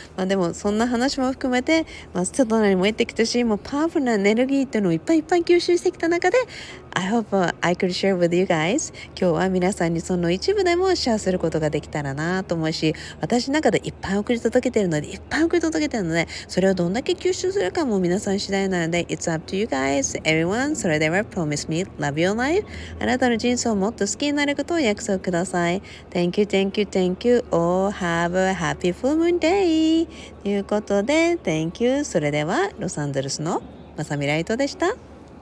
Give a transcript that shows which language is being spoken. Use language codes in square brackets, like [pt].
[ja] まあでもそんな話も含めて、まあ、外なりも行ってきたし、もうパワフルなエネルギーっていうのをいっぱいいっぱい吸収してきた中で、 [en] I hope I could share with you guys. [ja] 今日は皆さんにその一部でもシェアすることができたらなと思うし、私の中でいっぱい送り届けているので、それをどんだけ吸収するかも皆さん次第なので、 [en] It's up to you guys, everyone. [ja] それでは、 [en] Promise me, love your life. [ja] あなたの人生をもっと好きになることを約束ください。 [en] Thank you, thank you, thank you. Oh, have a happy full moon day. [ja] ということで、 [en] Thank you. [ja] それでは、ロサンゼルスのマサミライトでした。